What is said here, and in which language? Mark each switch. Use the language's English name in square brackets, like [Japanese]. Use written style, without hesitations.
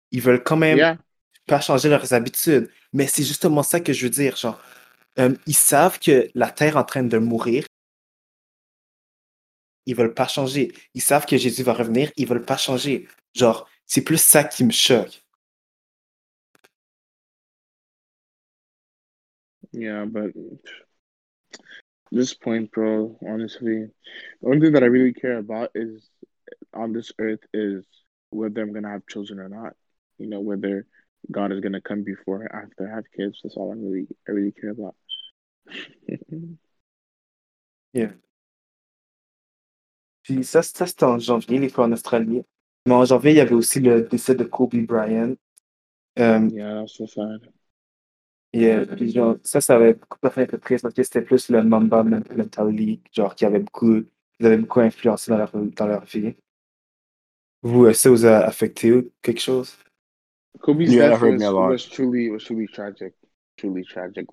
[French] Ils veulent quand même pas changer leurs habitudes. Mais c'est justement ça que je veux dire, genre... ils savent que la Terre est en train de mourir. Ils veulent pas changer. Ils savent que Jésus va revenir. Ils veulent pas changer. Genre, c'est plus ça qui me choque. [English] Yeah, but this point, bro, honestly, the only thing that I really care about is on this earth is whether I'm going to have children or not. You know, whether God is going to come before or after I have kids. That's all I really care about. Yeah. [French] Puis ça, c'était en janvier, les fois en Australie. Mais en janvier, il y avait aussi le décès de Kobe Bryant. [English] Yeah, that's so sad. [French] Yeah, puis genre, ça avait beaucoup de fait un peu triste parce que c'était plus le Mamba mentality, genre, qui avait beaucoup, ils avaient beaucoup influencé dans leur vie. Vous, ça vous a affecté quelque chose? [English] Kobe's death was truly tragic. Truly tragic.